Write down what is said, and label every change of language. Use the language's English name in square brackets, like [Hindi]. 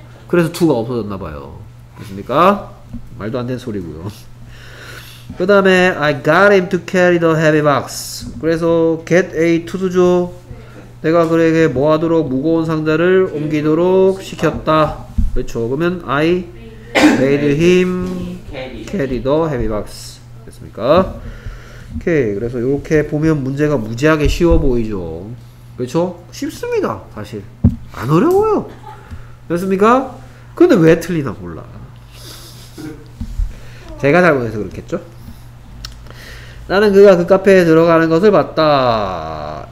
[Korean] 그래서 2가 없어졌나봐요. 됐습니까? 말도 안 되는 소리고요. 그 다음에 [English] I got him to carry the heavy box. [Korean] 그래서 get a to죠. 네. 내가 그에게 뭐 하도록 무거운 상자를 옮기도록 시켰다. 그렇죠. 그러면 [English] I made him carry the heavy box. [Korean] 됐습니까? 오케이. 그래서 이렇게 보면 문제가 무지하게 쉬워 보이죠. 그렇죠? 쉽습니다. 사실. 안 어려워요. 됐습니까? 근데 왜 틀리나 몰라. 제가 잘못해서 그렇겠죠? 나는 그가 그 카페에 들어가는 것을 봤다.